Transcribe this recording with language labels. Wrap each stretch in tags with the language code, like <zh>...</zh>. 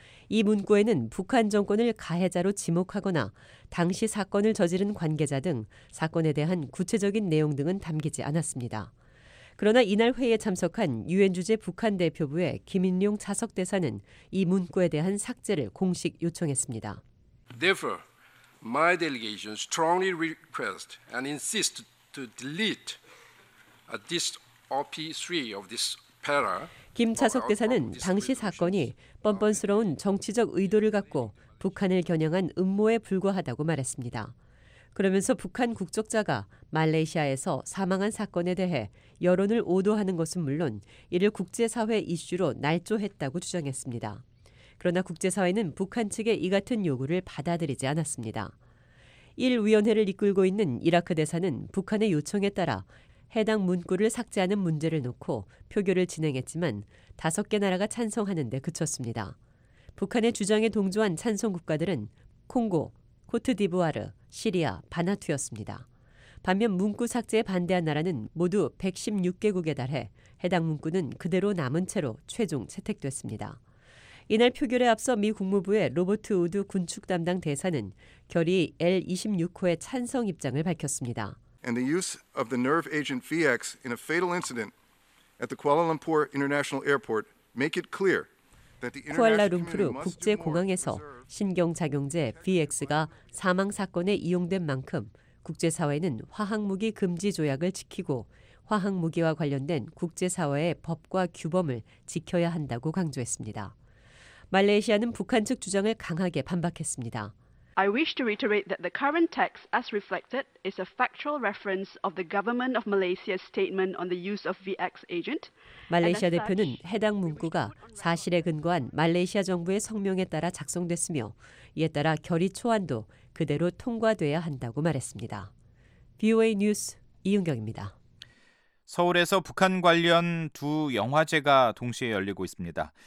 <ko>이 문구에는 북한 정권을 가해자로 지목하거나 당시 사건을 저지른 관계자 등 사건에 대한 구체적인 내용 등은 담기지 않았습니다. 그러나 이날 회의에 참석한 유엔 주재 북한 대표부의 김인룡 차석 대사는 이 문구에 대한 삭제를 공식 요청했습니다.</ko> <en>Therefore, my delegation strongly requests and insists to delete this OP3 of this para.</en> <ko>김 차석 대사는 당시 사건이 뻔뻔스러운 정치적 의도를 갖고 북한을 겨냥한 음모에 불과하다고 말했습니다. 그러면서 북한 국적자가 말레이시아에서 사망한 사건에 대해 여론을 오도하는 것은 물론 이를 국제사회 이슈로 날조했다고 주장했습니다. 그러나 국제사회는 북한 측의 이 같은 요구를 받아들이지 않았습니다. 일 위원회를 이끌고 있는 이라크 대사는 북한의 요청에 따라 해당 문구를 삭제하는 문제를 놓고 표결을 진행했지만 5개 나라가 찬성하는 데 그쳤습니다. 북한의 주장에 동조한 찬성 국가들은 콩고, 코트디부아르, 시리아, 바나투였습니다. 반면 문구 삭제에 반대한 나라는 모두 116개국에 달해 해당 문구는 그대로 남은 채로 최종 채택됐습니다. 이날 표결에 앞서 미 국무부의 로버트 우드 군축 담당 대사는 결의 L26호의 찬성 입장을 밝혔습니다.</ko> <en>And the use of the nerve agent VX in a fatal incident at the Kuala Lumpur International Airport make it clear that the</en> <ko>Kuala Lumpur 국제공항에서 신경작용제 VX가 사망 사건에 이용된 만큼 국제사회는 화학무기 금지 조약을 지키고 화학무기와 관련된 국제사회의 법과 규범을 지켜야 한다고 강조했습니다. 말레이시아는 북한 측 주장을 강하게 반박했습니다.</ko> <en>I wish to reiterate that the current text as reflected is a factual reference of the government of Malaysia's statement on the use of VX agent.</en> <ko>말레이시아 대표는 해당 문구가 사실에 근거한 말레이시아 정부의 성명에 따라 작성됐으며 이에 따라 결의 초안도 그대로 통과돼야 한다고 말했습니다. VOA 뉴스 이은경입니다. 서울에서 북한 관련 두 영화제가 동시에 열리고 있습니다.</ko>